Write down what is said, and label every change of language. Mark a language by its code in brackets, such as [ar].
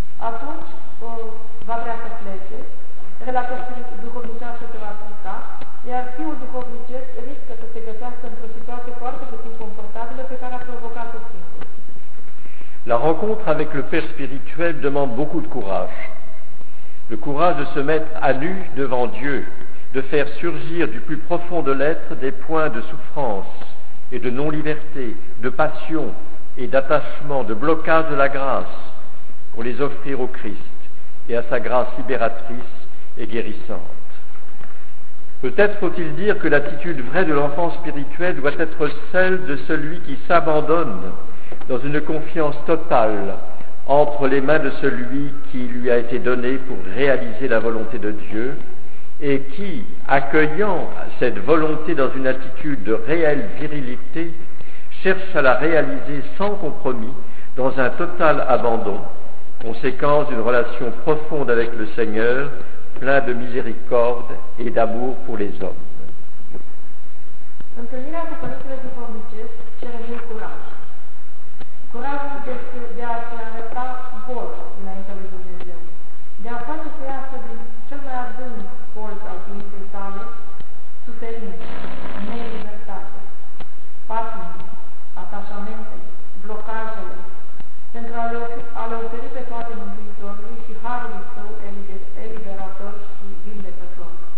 [ro] Atunci va vrea să plece, relația duhovnicească se va afecta, iar fiul duhovnicesc riscă să se găsească într-o situație foarte puțin confortabilă pe care a provocat-o singur. [fr] La rencontre avec le père spirituel demande beaucoup de courage. Le courage de se mettre à nu devant Dieu, de faire surgir du plus profond de l'être des points de souffrance et de non-liberté, de passion et d'attachement, de blocage de la grâce pour les offrir au Christ et à sa grâce libératrice et guérissante. Peut-être faut-il dire que l'attitude vraie de l'enfant spirituel doit être celle de celui qui s'abandonne dans une confiance totale entre les mains de celui qui lui a été donné pour réaliser la volonté de Dieu et qui, accueillant cette volonté dans une attitude de réelle virilité, cherche à la réaliser sans compromis dans un total abandon, conséquence d'une relation profonde avec le Seigneur plein de miséricorde et d'amour pour les hommes. [ro] Întâlnirea cu Părintele Duhovnicesc cere mult curaj. Curajul de a se arăta gol înaintea lui Dumnezeu, de a face să iasă din cel mai adânc colț al ființei sale, suferință, nelibertate, patimile, atașamentele, blocajele, pentru a le oferi pe toate Mântuitorului și harului său eliberator și vindecător.